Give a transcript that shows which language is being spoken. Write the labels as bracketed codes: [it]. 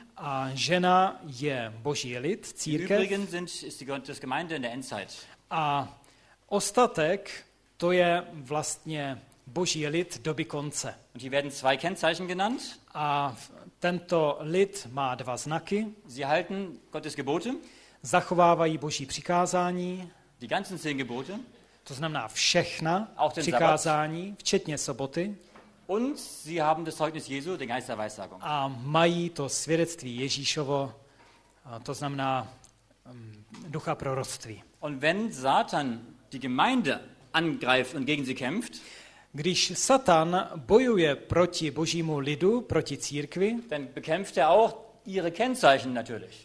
[cs] A žena je Boží lid, církev. [de] Die übrigen sind, ist die Gemeinde in der Endzeit. [cs] A ostatek, to je vlastně Boží lid doby konce. [de] Und hier werden zwei Kennzeichen genannt. [cs] A tento lid má dva znaky. [de] Sie halten Gottes Gebote. [cs] Zachovávají Boží přikázání. [de] Die ganzen zehn Gebote. [cs] To znamená všechna přikázání, včetně soboty. [de] Und sie haben das Zeugnis Jesu, den Geist der Weissagung. [cs] A mají to svědectví Ježíšovo, to znamená ducha proroctví. [de] Und wenn Satan die Gemeinde angreift und gegen sie kämpft, [cs] když Satan bojuje proti Božímu lidu, proti církvi, [de] dann bekämpft er auch ihre Kennzeichen natürlich.